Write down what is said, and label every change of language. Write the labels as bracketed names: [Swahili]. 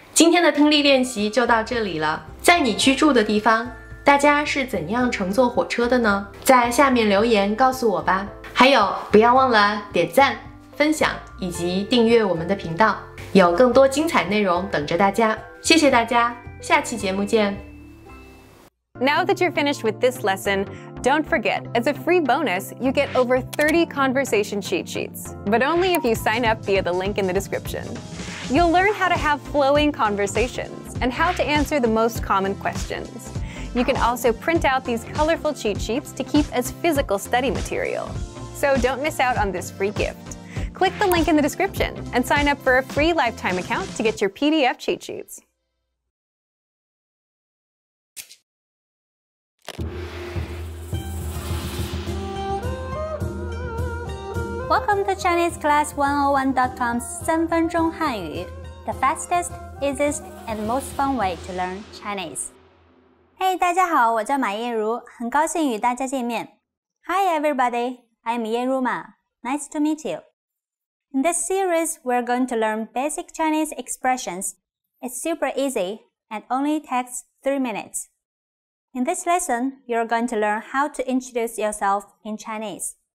[Chinese] 今天的听力练习就到这里了。在你居住的地方，大家是怎样乘坐火车的呢？在下面留言告诉我吧。还有，不要忘了点赞、分享以及订阅我们的频道，有更多精彩内容等着大家。谢谢大家，下期节目见。 [English] Now that you're finished with this lesson, don't forget, as a free bonus, you get over 30 conversation cheat sheets, but only if you sign up via the link in the description. You'll learn how to have flowing conversations and how to answer the most common questions. You can also print out these colorful cheat sheets to keep as physical study material. So don't miss out on this free gift. Click the link in the description and sign up for a free lifetime account to get your PDF cheat sheets. Welcome to ChineseClass101.com's 三分钟汉语, the fastest, easiest, and most fun way to learn Chinese. [Chinese] Hey, 大家好,我叫马燕如,很高兴与大家见面。 [English] Hi, everybody, I'm 燕如马, nice to meet you. In this series, we're going to learn basic Chinese expressions. It's super easy and only takes 3 minutes. In this lesson, you're going to learn how to introduce yourself in Chinese.